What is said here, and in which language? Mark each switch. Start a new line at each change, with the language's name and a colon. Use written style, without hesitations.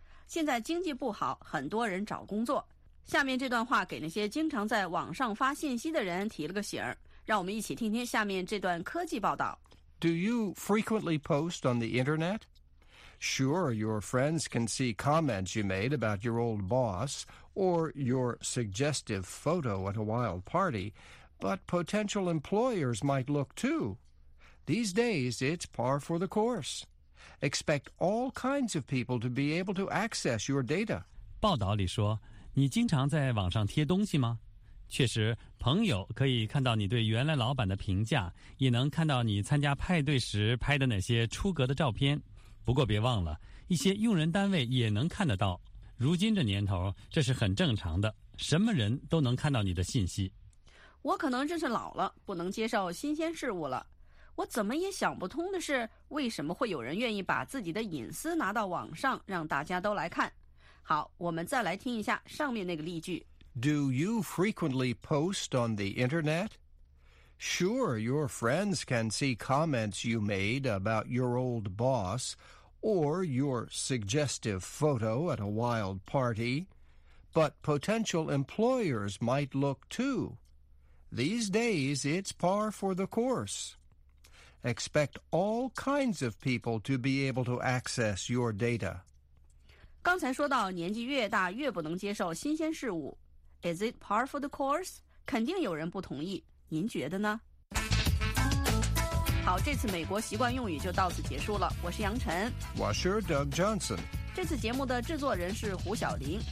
Chinese: 现在经济不好，很多人找工作。下面这段话给那些经常在网上发信息的人提了个醒儿。让我们一起听听下面这段科技报道。
English: Do you frequently post on the internet? Sure, your friends can see comments you made about your old boss or your suggestive photo at a wild party, but potential employers might look too. These days, it's par for the course. Expect all kinds of people to be able to access your data.
Chinese: 报道里说，你经常在网上贴东西吗？确实，朋友可以看到你对原来老板的评价，也能看到你参加派对时拍的那些出格的照片。不过别忘了，一些用人单位也能看得到。如今这年头，这是很正常的，什么人都能看到你的信息。我可能真是老了，不能接受新鲜事物了。我怎么也想不通的是，为什么会有人愿意把自己的隐私拿到网上，让大家都来看。好，我们再来听一下上面那个例句。
English: Do you frequently post on the internet? Sure, your friends can see comments you made about your old boss or your suggestive photo at a wild party, but potential employers might look too. These days, it's par for the course. Expect all kinds of people to be able to access your data.
Chinese: 刚才说到年纪越大越不能接受新鲜事物。
English: Is it par for the course?
Chinese: 肯定有人不同意，您觉得呢？好，这次美国习惯用语就到此结束了。我是杨晨。我是 Doug Johnson。这次节目的制作人是胡晓玲。